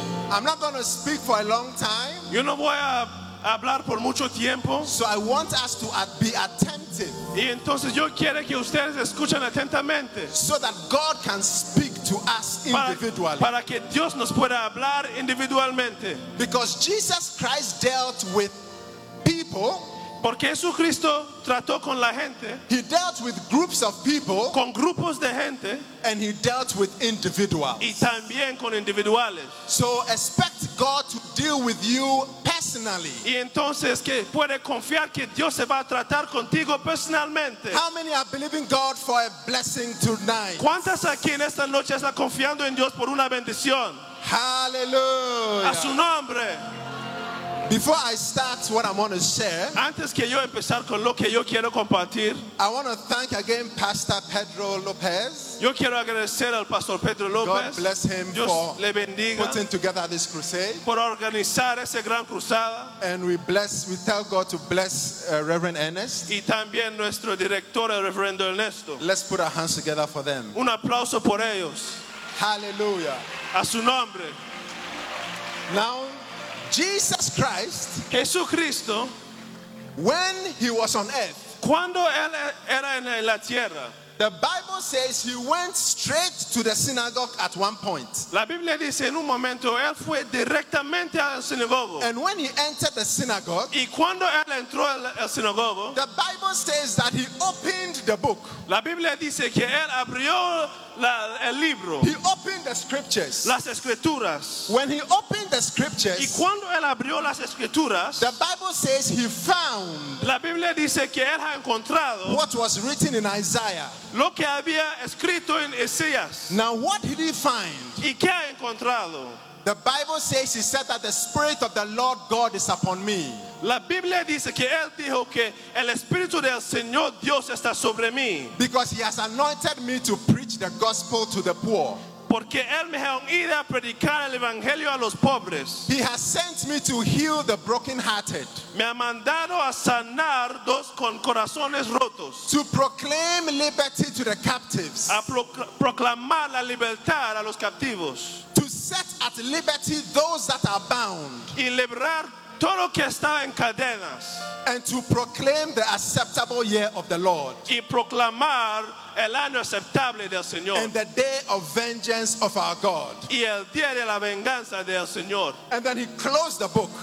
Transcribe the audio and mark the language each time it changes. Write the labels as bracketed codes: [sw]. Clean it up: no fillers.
[en] I'm not going to speak for a long time. [es] Yo no voy a hablar por mucho tiempo. [en] So I want us to be attentive. [es] Y entonces yo quiero que ustedes escuchen atentamente. [en] So that God can speak to us individually. [es] Para que Dios nos pueda hablar individualmente. [en] Because Jesus Christ dealt with people. [es] Porque Jesucristo trató con la gente. [en] He dealt with groups of people. [es] Con grupos de gente. [en] And he dealt with individuals. [es] Y también con individuales. [en] So expect God to deal with you personally. [es] Y entonces que puede confiar que Dios se va a tratar contigo personalmente. [en] How many are believing God for a blessing tonight? [es] ¿Cuántas aquí en esta noche están confiando en Dios por una bendición? [en] Hallelujah. [es] A su nombre. [en] Before I start what I'm going to share, [es] antes que yo empezar con lo que yo quiero compartir, [en] I want to thank again Pastor Pedro Lopez. [es] Yo quiero agradecer al Pastor Pedro Lopez. [en] God bless him [es] Dios [en] for [es] le bendiga, [en] putting together this crusade. [es] Por organizar esa gran cruzada. [en] And we tell God to bless Reverend Ernest. [es] Y también nuestro director, el Reverendo Ernesto. [en] Let's put our hands together for them. [es] Un aplauso por ellos. [en] Hallelujah. [es] A su nombre. [en] Now, Jesus Christ, [es] Jesucristo, [en] when he was on earth, [es] cuando él era en la tierra, [en] the Bible says he went straight to the synagogue at one point. [es] La Biblia dice en un momento él fue directamente al sinagogo. [en] And when he entered the synagogue, [es] y cuando él entró al sinagogo, [en] the Bible says that he opened the book. [es] La Biblia dice que él abrió el libro. [en] He opened the scriptures. [es] Las escrituras. [en] When he opened the scriptures, [es] y cuando él abrió las escrituras, [en] the Bible says he found. [es] La Biblia dice que él ha encontrado [en] what was written in Isaiah. [es] Lo que había escrito en Isaías. [en] Now what did he find? [es] ¿Y qué ha encontrado? [en] The Bible says he said that the Spirit of the Lord God is upon me. [es] La Biblia dice que él dijo que el Espíritu del Señor Dios está sobre mí. [en] Because he has anointed me to preach the gospel to the poor. [es] Porque él me ha ido a predicar el evangelio a los pobres. [en] He has sent me to heal the brokenhearted. [es] Me ha mandado a sanar los con corazones rotos. [en] To proclaim liberty to the captives. [es] A proclamar la libertad a los captivos. [en] To set at liberty those that are bound. [es] Y liberar todo lo que está en cadenas. [en] And to proclaim the acceptable year of the Lord. [es] Y proclamar el año aceptable del Señor. [en] And the day of vengeance of our God. [es] Y el día de la venganza del Señor. [en] And then he closed the book.